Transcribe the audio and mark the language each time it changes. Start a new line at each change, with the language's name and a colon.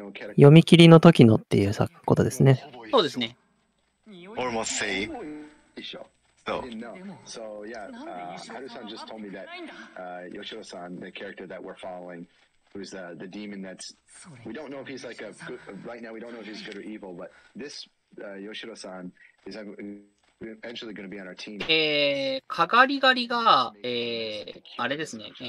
Japanese: 読み切りの時のっていうことですね。そうですね。俺も same。一緒。そう。
English: So yeah, Haru さん just told me that Yoshiro さん、the character that we're following, who's the demon that's we don't know if he's like a good, right now we don't know if he's good or evil, but this Yoshiro さん is eventually going to be on our team.
Japanese: かがりがりが、あれですね。